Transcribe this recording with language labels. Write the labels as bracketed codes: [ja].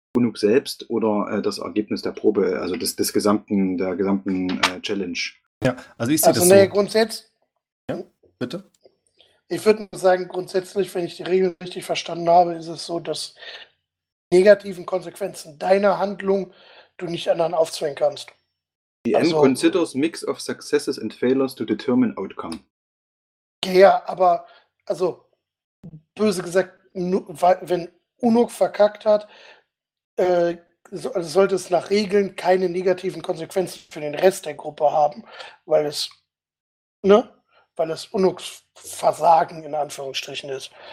[de] Unuk selbst oder das Ergebnis der Probe, also der gesamten Challenge. Ja, also ich sehe das so. Ja, bitte? Ich würde sagen, grundsätzlich, wenn ich die Regeln richtig verstanden habe, ist es so, dass negativen Konsequenzen deiner Handlung du nicht anderen aufzwingen kannst. [en] The end considers mix of successes and failures to determine outcome. [de] Ja, aber, also, böse gesagt, wenn Unuk verkackt hat, sollte es nach Regeln keine negativen Konsequenzen für den Rest der Gruppe haben, weil es Unuks Versagen in Anführungsstrichen ist.